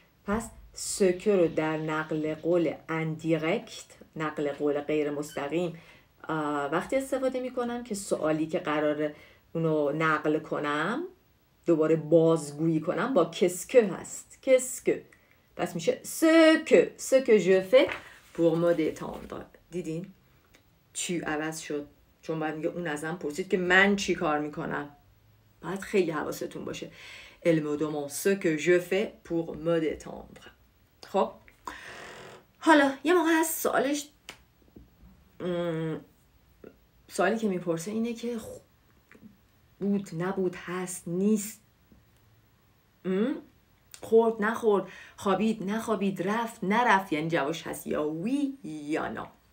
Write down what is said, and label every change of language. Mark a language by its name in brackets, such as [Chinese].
[Persian] پس ce que رو در نقل قول اندیرکت، نقل قول غیر مستقیم، وقتی استفاده میکنم که سوالی که قراره اونو نقل کنم دوباره بازگویی کنم با کسکه هست. کسکه پس میشه [French] ce que je fais pour me détendre. [Persian] دیدین چی عوض شد؟ چون باید میگه اون ازم پرسید که من چی کار میکنم. باید خیلی حواستون باشه. [French] Elle me demande ce que je fais pour me détendre. [Persian] خب حالا یه موقع هست سوالش سوالی که میپرسه اینه که بود نبود، هست نیست، خورد نخورد، خوابید نخوابید، رفت نرفت، یعنی جوابش هست یا وی یا نا.